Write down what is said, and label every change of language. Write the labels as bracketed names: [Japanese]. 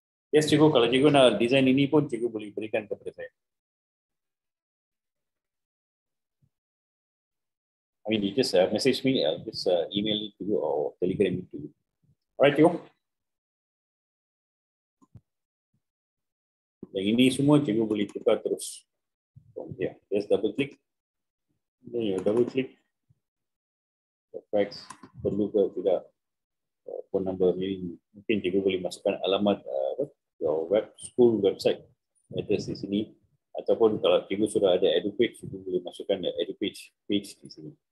[Malay] Yes, cikgu, kalau cikgu nak design ini pun, cikgu boleh berikan kepada saya. [English] I mean, you just message me, I'll just email it to you or telegram it to you. All right, cikgu. [Malay] Yang ini semua cikgu boleh tukar terus. [English] From here. Just double click. Then you double click. [Malay] Facts perlu ke tidak phone number ini mungkin juga boleh masukkan alamat [English] your web school website address [Malay] di sini ataupun kalau cikgu sudah ada EduPage cikgu boleh masukkan [English] the EduPage page [Malay] di sini.